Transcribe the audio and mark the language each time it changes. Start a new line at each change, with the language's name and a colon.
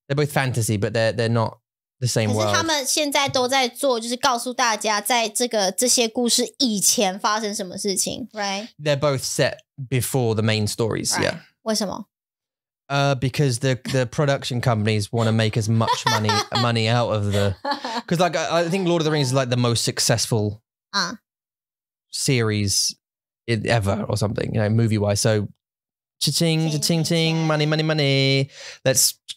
English: They're both fantasy, but they're not the same world.
Chinese: 可是他们现在都在做，就是告诉大家在这些故事以前发生什么事情 ，right?
English: They're both set before the main stories, right. yeah.
Chinese: 为什么？
English: Because the production companies want to make as much money out of the, because like I think Lord of the Rings is like the most successful. Series ever or something, you know, movie wise. So, cha-ching, cha-ching, ching, money, money, money. Let's.